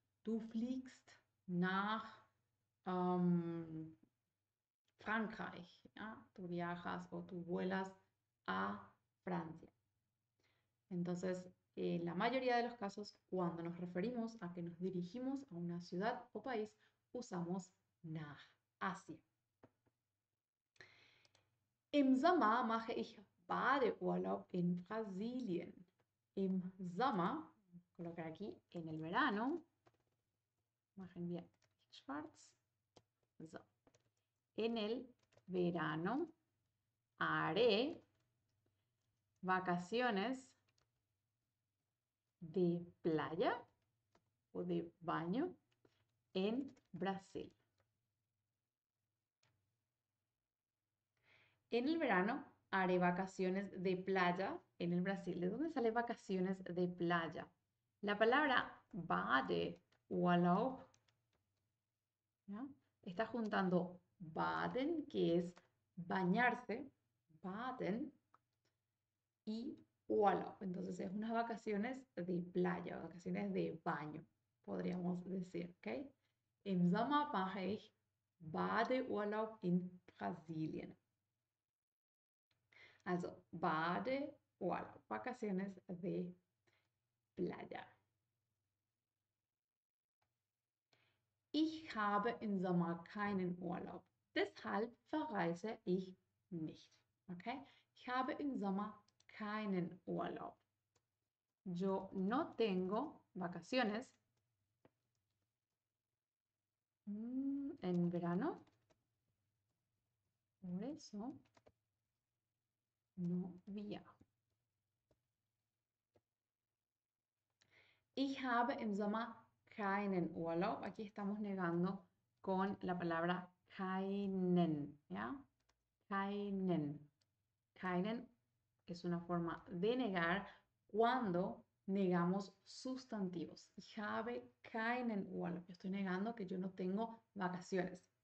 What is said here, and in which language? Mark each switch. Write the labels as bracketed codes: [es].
[de] Du fliegst nach Frankreich. [es] ¿Ya? Tú viajas o tú vuelas a Francia. Entonces, en la mayoría de los casos, cuando nos referimos a que nos dirigimos a una ciudad o país, usamos nach. Así. [de] Im Sommer mache ich Badeurlaub en Brasilien. Im Sommer, [es] colocar aquí en el verano. Imagen bien, Schwarz. So. En el verano haré vacaciones de playa o de baño en Brasil. En el verano haré vacaciones de playa en el Brasil. ¿De dónde sale vacaciones de playa? La palabra Bade, Urlaub, ¿ya? Está juntando Baden, que es bañarse, Baden, y Urlaub. Entonces es unas vacaciones de playa, vacaciones de baño, podríamos decir, ¿ok? [de] Im Sommer mache ich Badeurlaub in Brasilien. [es] Also, Bade, voilà, vacaciones de playa. [de] Ich habe im Sommer keinen Urlaub, deshalb verreise ich nicht. Okay? Ich habe im Sommer keinen Urlaub. [es] Yo no tengo vacaciones en verano. Por eso. No viajo. [de] Ich habe im Sommer keinen Urlaub. [es] Aquí estamos negando con la palabra keinen, ¿ya? Keinen. Keinen es una forma de negar cuando negamos sustantivos. [de] Ich habe keinen Urlaub. [es] Yo estoy negando que yo no tengo vacaciones.